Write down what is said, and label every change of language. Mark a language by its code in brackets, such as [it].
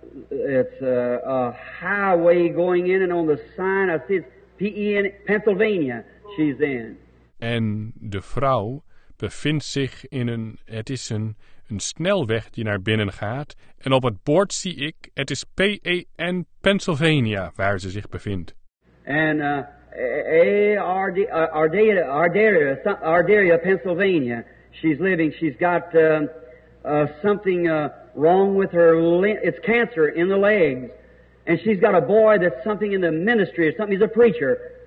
[en] It's a highway going in and on the sign I see it's P-E-N, Pennsylvania, she's in. [nl] En de vrouw bevindt zich in een... Het is een snelweg die naar binnen gaat. En op het bord zie ik, het is P-E-N, Pennsylvania, waar ze zich bevindt. [en] En Ardaria, Pennsylvania, she's living. She's got something... wrong with her it's cancer in the legs. And she's got a boy that's something in the ministry or something, he's a preacher.